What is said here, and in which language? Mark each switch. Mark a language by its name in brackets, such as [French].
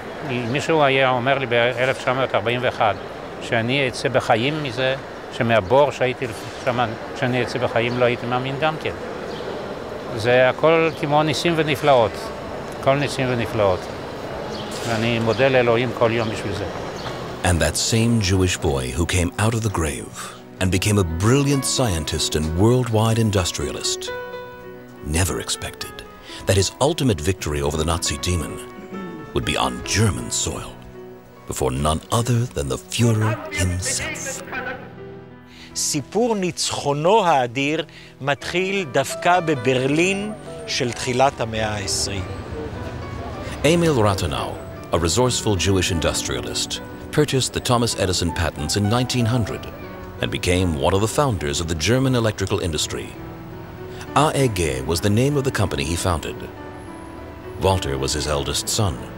[Hebrew] מישהו היה אומר לי ב-1941 שאני אצא בחיים מזה, שמהבור שהייתי שם, שאני אצא בחיים לא הייתי מאמין גם כן. זה הכל כמו ניסים ונפלאות. כל ניסים ונפלאות. ואני מודה לאלוהים כל יום בשביל זה. [English] And that same Jewish boy who came out of the grave and became a brilliant scientist and worldwide industrialist never expected that his ultimate victory over the Nazi demon would be on German soil before none other than the Führer himself. [Hebrew] סיפור ניצחונו האדיר מתחיל דווקא בברלין של תחילת המאה ה-20. [English] Emil Rathenau, a resourceful Jewish industrialist, purchased the Thomas Edison patents in 1900 and became one of the founders of the German electrical industry. AEG was the name of the company he founded. Walter was his eldest son.